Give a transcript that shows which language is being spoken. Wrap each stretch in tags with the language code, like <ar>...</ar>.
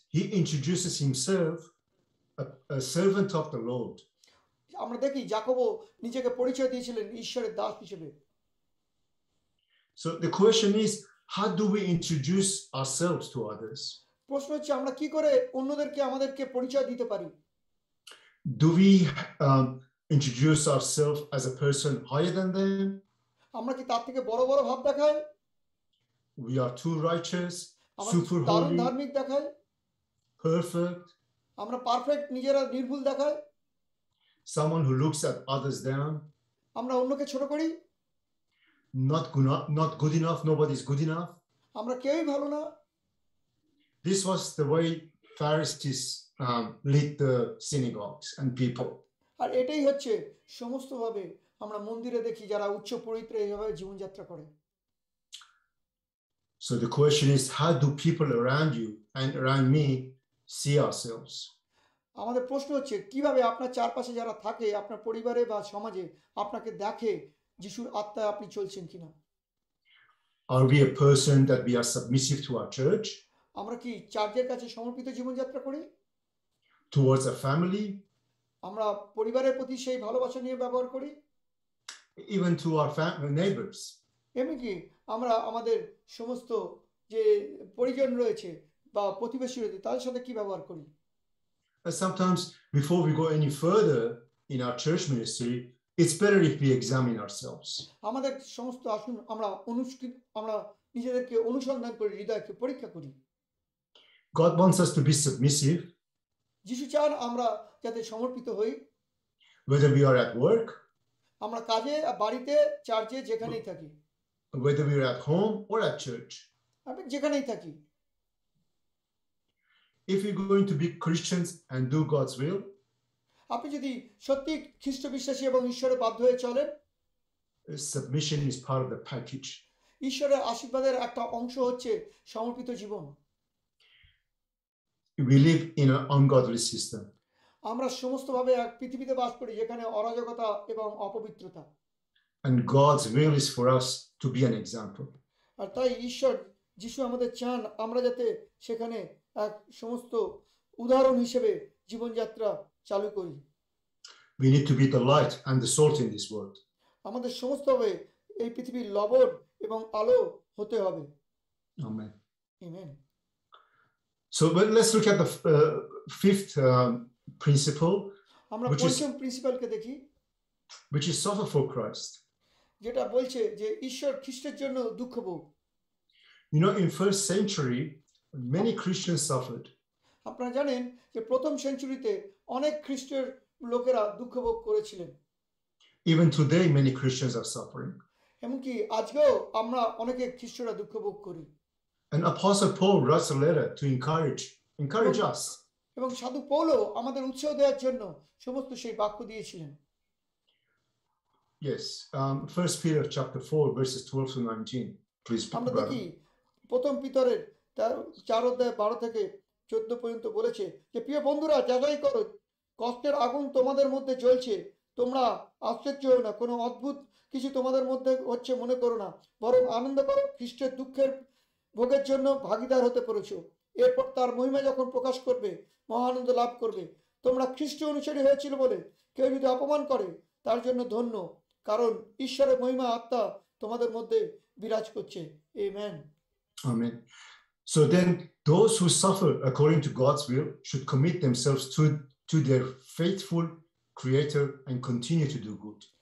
<en>He introduces himself a servant of the Lord.</en> <bn>আমরা দেখি যাকোব নিজেকে পরিচয় দিয়েছিলেন ঈশ্বরের দাস হিসেবে।</bn> <en>So the question is, how do we introduce ourselves to others?</en> <bn>প্রশ্ন হচ্ছে আমরা কি করে অন্যদেরকে আমাদেরকে পরিচয় দিতে পারি?</bn> <en>Do we introduce ourselves as a person higher than them?</en> <bn>আমরা কি তার থেকে বড় বড় ভাব দেখাই?</bn> <en>We are too righteous, super holy, perfect.</en> <bn>আমরা পারফেক্ট, নিজেরা নির্ভুল দেখাই?</bn> <en>Someone who looks at others down.</en> <bn>আমরা অন্যকে ছোট করি?</bn> <en>Not good enough. Nobody is good enough.</en> <bn>আমরা কেউই ভালো না?</bn> <en>This was the way Pharisees lead the synagogues and people.</en> <bn>আর এটাই হচ্ছে সমস্ত ভাবে আমরা মন্দিরে দেখি যারা উচ্চ পবিত্র এইভাবে জীবনযাত্রা করে।</bn> <en>So the question is, how do people around you and around me see ourselves?</en> <bn>আমাদের প্রশ্ন হচ্ছে কিভাবে আপনার চারপাশে যারা থাকে আপনার পরিবারে বা সমাজে আপনাকে দেখে যিশুর আত্মায় আপনি চলছেন কিনা?</bn> <en>Are we a person that we are submissive to our church?</en> <bn>আমরা কি চার্চের কাছে সমর্পিত জীবনযাত্রা করি?</bn> <en>Towards our family?</en> <bn>আমরা পরিবারের প্রতি সেই ভালোবাসা নিয়ে ব্যবহার করি?</bn> <en>Even to our neighbors?</en> <bn>এমনকি আমরা আমাদের সমস্ত যে পরিজন রয়েছে বা প্রতিবেশী রয়েছে তাদের সাথে কি ব্যবহার করি?</bn> <en>Sometimes before we go any further, in our church ministry, it's better if we examine ourselves.</en> <bn>আমাদের সমস্ত আসুন আমরা অনুসকৃত আমরা নিজেদেরকে অনুসন্ধান করি হৃদয়কে পরীক্ষা করি.</bn> <en>God wants us to be submissive.</en> <bn>যিশু চান আমরা যাতে সমর্পিত হই.</bn> <en>Whether we are at work,</en> <bn>আমরা কাজে বাড়িতে চার্চে যেখানেই থাকি.</bn> <en>Whether we are at home or at church,</en> <bn>আমি যেখানেই থাকি.</bn> <en>If we're going to be Christians and do God's will,</en> <bn>আপনি যদি সত্যি খ্রিস্ট বিশ্বাসী এবং ঈশ্বরের বাধ্য হয়ে চলেন,</bn> <en>submission is part of the package.</en> <bn>ঈশ্বরের আশীর্বাদের একটা অংশ হচ্ছে সমর্পিত জীবন.</bn> <en>We live in an ungodly system.</en> <bn>আমরা সমস্তভাবে এক পৃথিবীতে বাস করি যেখানে অরাজকতা এবং অপবিত্রতা.</bn> <en>And God's will is for us to be an example.</en> <bn>আর তাই ঈশ্বর যিশু আমাদের চান আমরা যাতে সেখানে এক সমস্ত উদাহরণ হিসেবে জীবনযাত্রা চালু করি.</bn> <en>We need to be the light and the salt in this world.</en> <bn>আমাদের সমস্তভাবে এই পৃথিবীর লবণ এবং আলো হতে হবে.</bn> <en>Amen. Amen. So let's look at the fifth principle.</en> <bn>আমরা পঞ্চম প্রিন্সিপালকে দেখি.</bn> <en>Which is suffer for Christ.</en> <bn>যেটা বলছে যে ঈশ্বর খ্রিস্টের জন্য দুঃখ ভোগ.</bn> <en>You know, in first century, many Christians suffered.</en> <bn>আপনারা জানেন যে প্রথম সেঞ্চুরিতে অনেক খ্রিস্টের লোকেরা দুঃখ ভোগ করেছিলেন.</bn> <en>Even today, many Christians are suffering.</en> <bn>এমনকি আজকেও আমরা অনেকে খ্রিস্টরা দুঃখ ভোগ করি.</bn> <en>And Apostle Paul writes a letter to encourage us.</en> <bn>এবং সাধু পৌলও আমাদের উৎসাহ দেওয়ার জন্য সমস্ত সেই বাক্য দিয়েছিলেন.</bn> <en>Yes, 1 Peter chapter 4, verses 12 to 19. Please</en> <bn>আমরা দেখি প্রথম পিতরের চার অধ্যায় 12 থেকে 14 পর্যন্ত বলেছে যে প্রিয় বন্ধুরা যাচাই করো কষ্টের আগুন তোমাদের মধ্যে জ্বলছে, তোমরা আশ্চর্য হও না, কোনো অদ্ভুত কিছু তোমাদের মধ্যে হচ্ছে মনে করো না, বরং আনন্দ করো, খ্রিস্টের দুঃখের ভোগের জন্য ভাগিদার হতে পেরেছো, এরপর তার মহিমা যখন প্রকাশ করবে মহানন্দ লাভ করবে। তোমরা খ্রিস্ট অনুসারী হয়েছিল বলে কেউ যদি অপমান করে তার জন্য ধন্য, কারণ ঈশ্বরের মহিমা আত্মা তোমাদের মধ্যে বিরাজ করছে। Amen. Amen.</bn> <en>So then those who suffer according to God's will should commit themselves to their faithful creator and continue to do good.</en>